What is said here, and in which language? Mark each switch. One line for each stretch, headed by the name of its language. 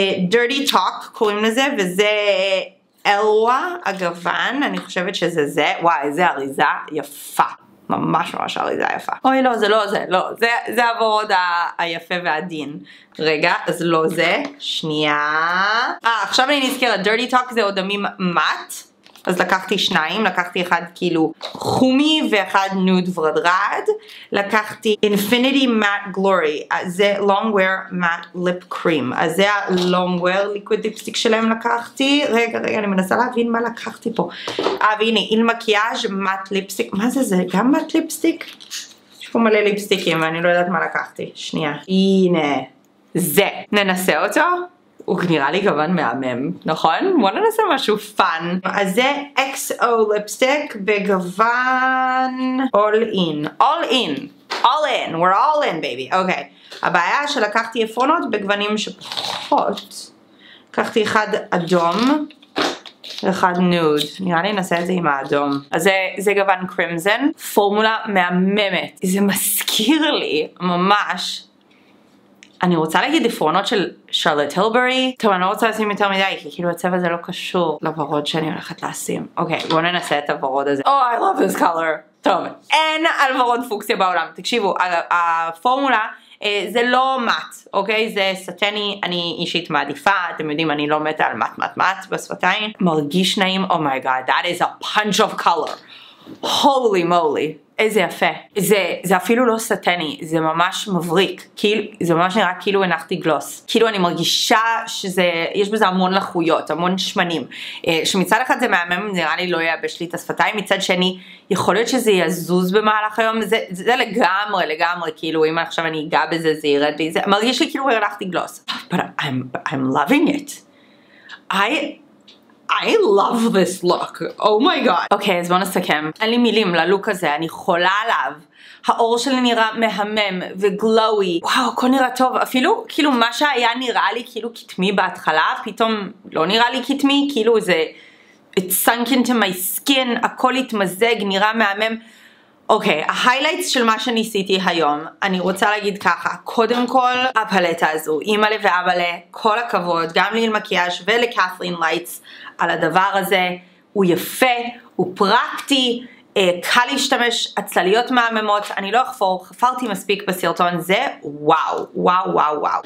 Hebrew: Dirty Talk קוראים לזה, וזה... אלווה הגוון, אני חושבת שזה זה, וואי, זה אריזה יפה, ממש ממש אריזה יפה. אוי לא, זה לא זה, לא, זה הוורוד היפה והדין. רגע, אז לא זה, שנייה. עכשיו אני נזכרת, Dirty Talk זה עודמים מט, אז לקחתי שניים, לקחתי אחד כאילו חומי ואחד נוד ורדרד. לקחתי Infinity Matte Glory, זה Long Wear Matte Lip Cream. אז זה ה-Long Wear Liquid Lipstick שלהם לקחתי. רגע, רגע, אני מנסה להבין מה לקחתי פה. והנה, Il Maquillage Matte Lipstick. מה זה זה? גם Matte Lipstick? יש פה מלא ליפסטיקים, אני לא יודעת מה לקחתי. שנייה. הנה, זה. ננסה אותו. הוא נראה לי גוון מהמם, נכון? בוא ננסה משהו פן. אז זה XO ליפסטיק בגוון All In.
English: All In. All In. We're all in, baby. אוקיי.
Hebrew: הבעיה שלקחתי עפרונות בגוונים שפחות. לקחתי אחד אדום ואחד נוד. נראה לי ננסה את זה עם האדום. אז זה גוון קרימזן. פורמולה מהממת. זה מזכיר לי ממש. אני רוצה להגיד עפרונות של שרלוט הילברי. טוב, אני לא רוצה לשים יותר מדי, כי כאילו הצבע הזה לא קשור לוורוד שאני הולכת לשים. אוקיי, בואו ננסה את הוורוד הזה.
English: Oh, I love this color.
Hebrew: טוב, אין על וורוד פוקסיה בעולם. תקשיבו, הפורמולה זה לא מט, אוקיי? זה סטני, אני אישית מעדיפה, אתם יודעים, אני לא מתה על מט בשפתיים. מרגיש נעים,
English: oh my god, that is a punch of color. Holy moly.
Hebrew: איזה יפה. זה אפילו לא סטני, זה ממש מבריק. כאילו, זה ממש נראה כאילו הנחתי גלוס. כאילו אני מרגישה שזה, יש בזה המון לחויות, המון שמנים. שמצד אחד זה מהמם, נראה לי לא ייבש לי את השפתיים, מצד שני, יכול להיות שזה יזוז במהלך היום, זה לגמרי, לגמרי, כאילו, אם עכשיו אני אגע בזה, זה ירד לי, זה מרגיש לי כאילו הנחתי גלוס.
English: But I'm loving it. I love this look. Oh my god.
Hebrew: אוקיי, אז בואו נסכם. אין לי מילים ללוק הזה, אני חולה עליו. האור שלי נראה מהמם וגלווי. וואו, הכל נראה טוב. אפילו, כאילו, מה שהיה נראה לי כאילו קטמי בהתחלה, פתאום לא נראה לי קטמי, כאילו זה...
English: It sunk into my skin,
Hebrew: הכל התמזג, נראה מהמם. אוקיי, ההיילייטס של מה שניסיתי היום, אני רוצה להגיד ככה, קודם כל, הפלטה הזו, אימאלה ואבאלה, כל הכבוד, גם לאיל מקיאז' ולקאת'רין לייטס, על הדבר הזה, הוא יפה, הוא פרקטי, קל להשתמש, הצלליות מהממות, אני לא אחפור, חפרתי מספיק בסרטון זה, וואו, וואו, וואו, וואו.